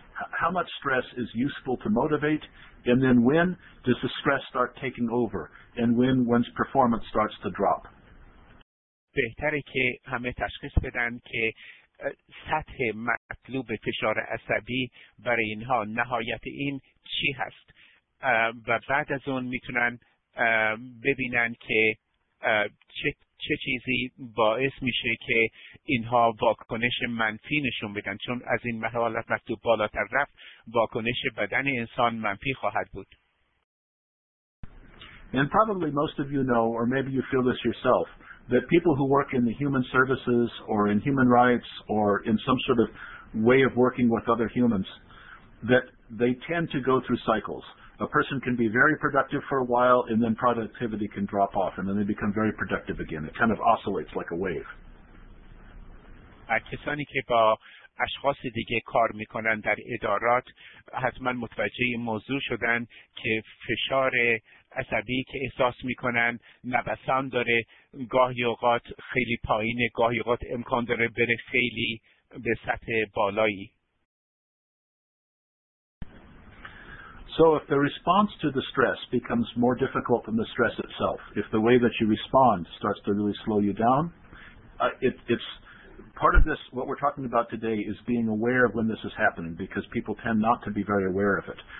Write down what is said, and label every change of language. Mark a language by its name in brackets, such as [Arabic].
[English] How much stress is useful to motivate, and then when does the stress start taking over, and when one's performance starts to drop? [Persian] بهتره که همه تشخیص بدن که سطح مطلوب فشار عصبی برای اینها نهایت این چی هست و بعد از اون میتونن ببینن که چه چیزی باعث میشه که اینها واکنش منفی نشون بدن، چون از این مرحله مطلوب بالاتر رفت واکنش بدن انسان منفی خواهد بود. [English] And probably most of you know, or maybe you feel this yourself, that people who work in the human services or in human rights or in some sort of way of working with other humans, that they tend to go through cycles. A person can be very productive for a while, and then productivity can drop off, and then they become very productive again. It kind of oscillates like a wave. [Persian] کسانی که با اشخاص دیگه کار میکنن در ادارات حتما متوجه موضوع شدن که فشار عصبی که احساس میکنن نوسان داره، گاهی اوقات خیلی پایینه، گاهی اوقات امکان داره بره خیلی به سطح بالایی. [English] So if the response to the stress becomes more difficult than the stress itself, if the way that you respond starts to really slow you down, it's part of this, what we're talking about today is being aware of when this is happening, because people tend not to be very aware of it.